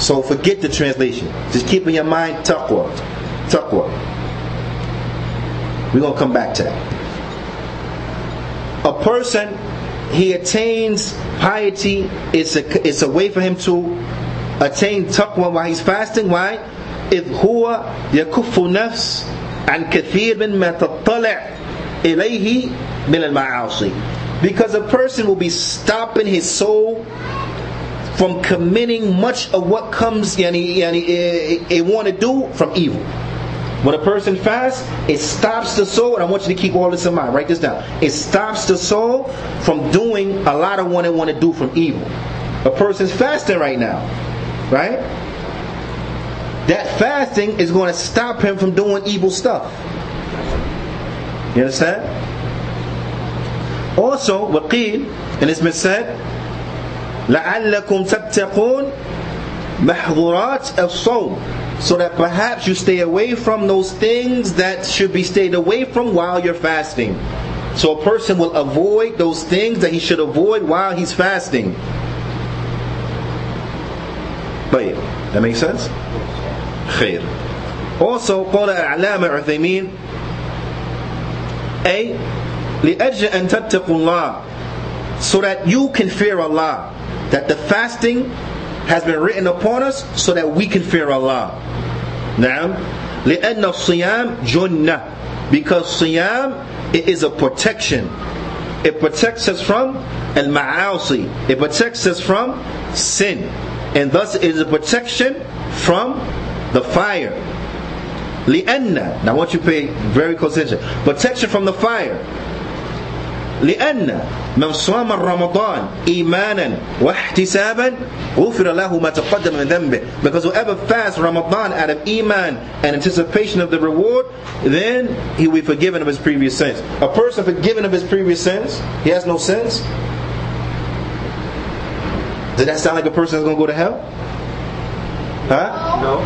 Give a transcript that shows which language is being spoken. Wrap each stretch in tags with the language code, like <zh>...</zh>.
<en>So forget the translation. Just keep in your mind taqwa. Taqwa. We're going to come back to that. A person, he attains piety. It's a way for him to attain taqwa while he's fasting. Why?</en> <ar>إذ هو يكف نفس عن كثير مما تطلع إليه من المعاصي.</ar> <en>Because a person will be stopping his soul from committing much of what comes, he want to do from evil. When a person fasts, it stops the soul, and I want you to keep all this in mind, write this down. It stops the soul from doing a lot of what they want to do from evil. A person's fasting right now, right? That fasting is going to stop him from doing evil stuff. You understand? Also, وقيل, and it's been said,</en> <ar>لَعَلَّكُمْ تَبْتَقُونَ مَحْظُرَاتِ الصَّوْمِ,</ar> <en>so that perhaps you stay away from those things that should be stayed away from while you're fasting. So a person will avoid those things that he should avoid while he's fasting. طيب, that makes sense?</en> <ar>خير.</ar> <en>Also,</en> <ar>قال العلامة عثيمين, أي لأجل أن تتقوا الله,</ar> <en>so that you can fear Allah. That the fasting has been written upon us so that we can fear Allah. Now,</en> <ar>لأن الصيام جنة,</ar> <en>because صيام, it is a protection. It protects us from المعاصي. It protects us from sin. And thus it is a protection from the fire. لأن, now I want you to pay very close attention. Protection from the fire.</en> <ar>لأن من صام رمضان إيمانا واحتسابا غفر له ما تقدم من ذنبه.</ar> <en>Because whoever fasts Ramadan out of Iman and anticipation of the reward, then he will be forgiven of his previous sins. A person forgiven of his previous sins, he has no sins. Does that sound like a person is going to go to hell? Huh?</en>